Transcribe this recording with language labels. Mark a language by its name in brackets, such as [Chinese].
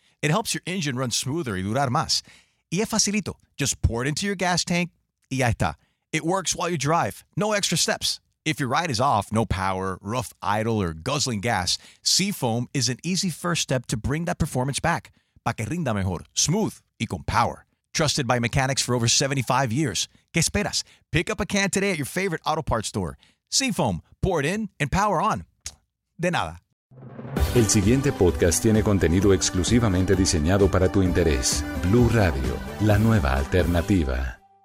[English] It helps your engine run smoother [Spanish] y durar más. Y es facilito. [English] Just pour it into your gas tank [Spanish] y ya está. [English] It works while you drive. No extra steps. If your ride is off, no power, rough idle, or guzzling gas, Seafoam is an easy first step to bring that performance back. [Spanish] Pa' que rinda mejor, smooth, y con power. [English] Trusted by mechanics for over 75 years. [Spanish] ¿Qué esperas? [English] Pick up a can today at your favorite auto parts store. Seafoam, pour it in and power on. [Spanish] De nada. El siguiente podcast tiene contenido exclusivamente diseñado para tu interés. Blue Radio, la nueva alternativa.